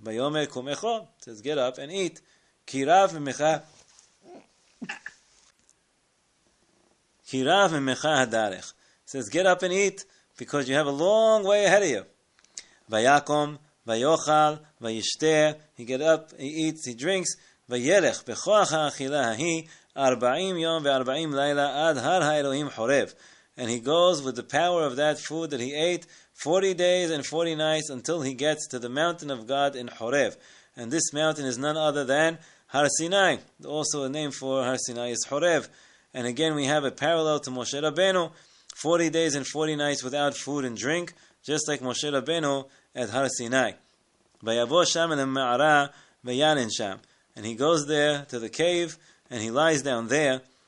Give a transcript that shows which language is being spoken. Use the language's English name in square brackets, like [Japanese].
[Hebrew] Vayomer kumecho, [English] says, get up and eat. [Hebrew] Kirav mimecha. Kirav mimecha hadarech. [English] Says, get up and eat, because you have a long way ahead of you. [Hebrew] Vayakom vayochal vayishter. [English] He get up, he eats, he drinks. [Hebrew] וילך בכוח האכילה ההיא 40 יום ו-40 לילה עד הר האלוהים חורב. [English] And he goes with the power of that food that he ate 40 days and 40 nights until he gets to the mountain of God in Horev. And this mountain is none other than Har Sinai. Also a name for Har Sinai is Horev. And again we have a parallel to Moshe Rabbeinu, 40 days and 40 nights without food and drink, just like Moshe Rabbeinu at Har Sinai. [Hebrew] ויבוא שם אל המערה וילן שם. [English] And he goes there to the cave, and he lies down there.